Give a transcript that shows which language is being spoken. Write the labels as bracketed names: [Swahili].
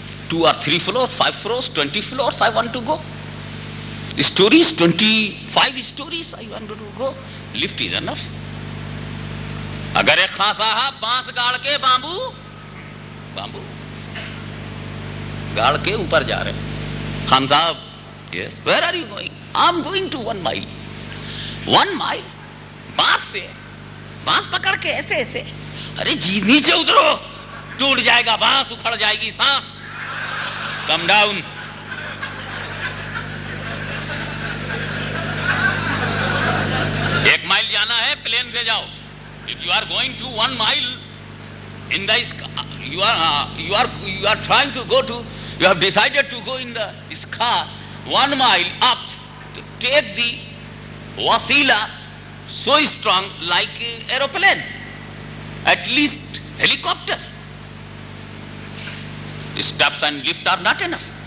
[English] 2 or 3 floors, 5 floors, 20 floors I want to go. Stories, 25 stories I want to go. Lift is enough. [Hindi] Agar ek khan sahab baans gaad ke bamboo gaad ke upar ja rahe. [English] Khan sahab, yes, where are you going? I'm going to 1 mile. [Hindi] 1 mile, बांस से, बांस पकड़ के ऐसे ऐसे, अरे जी नीचे उतरो, टूट जाएगा बांस, उखड़ जाएगी सांस, [English] Calm down. [Hindi] एक माइल जाना है प्लेन से जाओ। [English] If you are going to 1 mile in the sky, you are trying to go to, you have decided to go in the sky 1 mile up, तो take the wasila so strong like aeroplane, at least helicopter. Steps and lift are not enough.